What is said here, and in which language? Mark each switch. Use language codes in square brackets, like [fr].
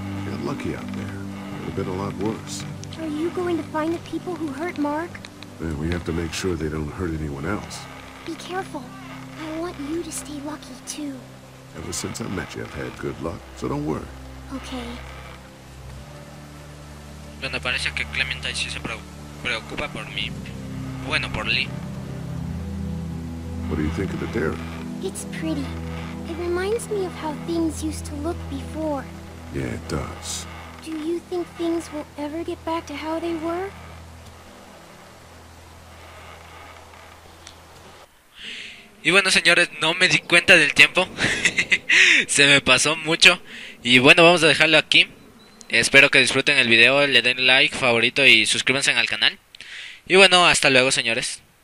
[en] Got lucky out there. It would have been a lot worse. Are you going to find the people who hurt Mark? Then we have to make sure they don't hurt anyone else. Be careful. I want you to stay lucky, too. Ever since I met you, I've had good luck, so don't worry. Okay. [es] Bueno, parece que Clementine sí se preocupa por mí. Bueno, por Lee. [en] What do you think of the dairy? It's pretty. It reminds me of how things used to look before. Yeah, it does. Do you think things will ever get back to how they were? [es] Y bueno, señores, no me di cuenta del tiempo. Se me pasó mucho. Y bueno, vamos a dejarlo aquí. Espero que disfruten el video, le den like, favorito y suscríbanse al canal. Y bueno, hasta luego, señores.